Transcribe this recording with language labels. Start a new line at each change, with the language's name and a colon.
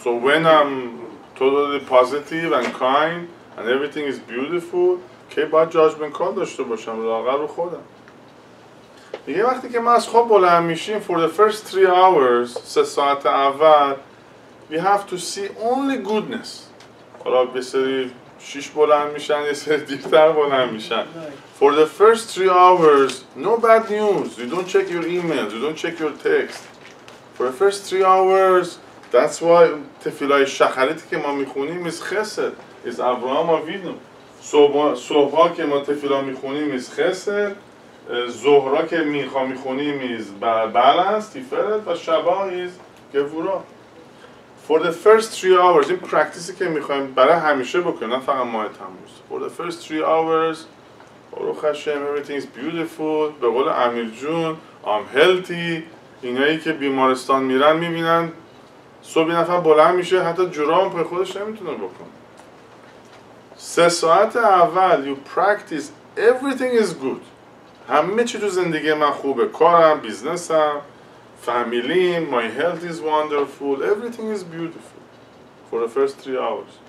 English: So when I'm totally positive and kind and everything is beautiful،
Persian: کی باید
English: judgment call
Persian: داشته باشم لاغر رو خودم. میگه وقتی که من از خواب بلند میشیم،
English: for the first 3 hours،
Persian: 3 ساعت اول،
English: we have to see only goodness.
Persian: حالا به سری 6 بلند میشن، یه سری دیرتر بلند میشن.
English: For the first 3 hours, no bad news. You don't check your emails, you don't check your text. For the first 3 hours, that's why
Persian: تفیلای شخریتی که ما میخونیم
English: is chesed, is Avraham Avinu.
Persian: صبحا که ما تفیلا میخونیم is chesed, زهرا که میخوا میخونیم is balance, تیفرت, و شبا is گفورا.
English: For the first 3 hours,
Persian: این پرکتیسی که میخواییم برای همیشه بکنیم، نه فقط ماه تموز.
English: For the first 3 hours,
Persian: روح خشم،
English: everything is beautiful.
Persian: به قول امیر جون،
English: I'm healthy.
Persian: اینایی که بیمارستان میرن میبینن صبح نفر بلند میشه، حتی جرام پای خودش نمیتونه بکنه. 3 ساعت اول
English: you practice, everything is good.
Persian: همه چی تو زندگی من خوبه، کارم، بیزنسم، فامیلیم،
English: my health is wonderful, everything is beautiful for the first 3 hours.